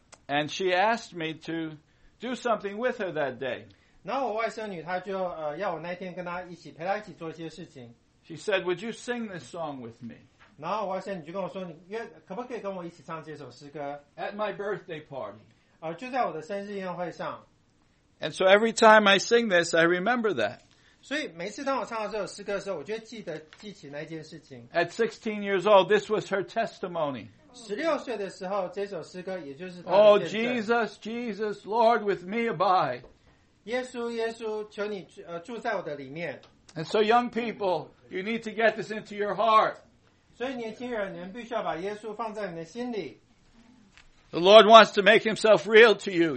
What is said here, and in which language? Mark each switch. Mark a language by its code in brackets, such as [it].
[en] and she asked me to do something with her that day. [zh] 然后我外甥女她就要我那天跟她一起陪她一起做一些事情. [en] She said, "Would you sing this song with me?" [zh] 然后外甥女就跟我说，你可不可以跟我一起唱这首诗歌? [en] At my birthday party. [zh] 就在我的生日宴会上. [en] And so every time I sing this, I remember that. [zh] 所以每次当我唱到这首诗歌的时候，我就会记得记起那件事情. [en] At 16 years old, this was her testimony. [zh] 16岁的时候，这首诗歌也就是她的见证。 [en] Oh, Jesus, Jesus, Lord, with me abide. [zh] 耶稣，耶稣，求你住在我的里面。 [en] And so young people, you need to get this into your heart. [zh] 所以年轻人，你们必须要把耶稣放在你的心里。 [en] The Lord wants to make himself real to you.